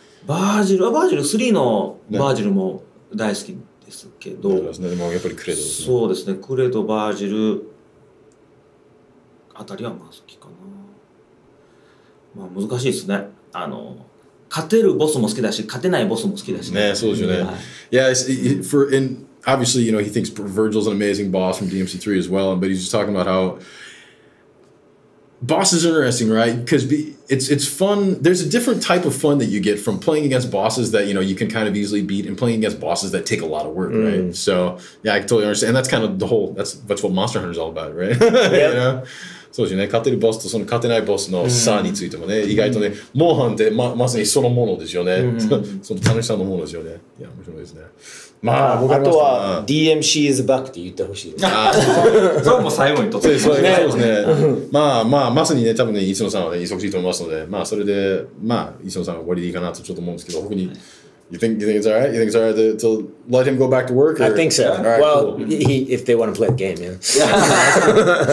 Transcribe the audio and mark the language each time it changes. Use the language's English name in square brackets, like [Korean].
[Japanese] バージル、バージル3のバージルも大好きですけど。そうですね。でもやっぱりクレドですね。そうですね。クレド、バージル、あたりはまあ好きかな。まあ難しいですね。あの勝てるボスも好きだし、勝てないボスも好きだし。ね、そうですよね。 [English] はい、yeah, for in obviously you know he thinks Virgil's an amazing boss from DMC3 as well, but he's just talking about how bosses are interesting, right? Because it's fun. There's a different type of fun that you get from playing against bosses that you know you can kind of easily beat, and playing against bosses that take a lot of work, right? So yeah, I totally understand. And that's kind of the whole. That's what Monster Hunter is all about, right? Yeah. You know? [Japanese] そうですね、勝てるボスとその勝てないボスの差についてもね、意外とね、モンハンってまさにそのものですよね、その楽しさのものですよね。いや、面白いですね。まあ、あとは [English] DMC is back [Japanese] って言ってほしいです。 それも最後にとってそうですね。まあまあ、まさにね、多分ね、磯野さんはね、忙しいと思いますので、まあ、それで、まあ、磯野さんは終わりでいいかなとちょっと思うんですけど、僕に。 [English] You think it's all right? You think it's all right to let him go back to work? Or? I think so. Yeah. Right, well, cool. If they want to play the game, yeah.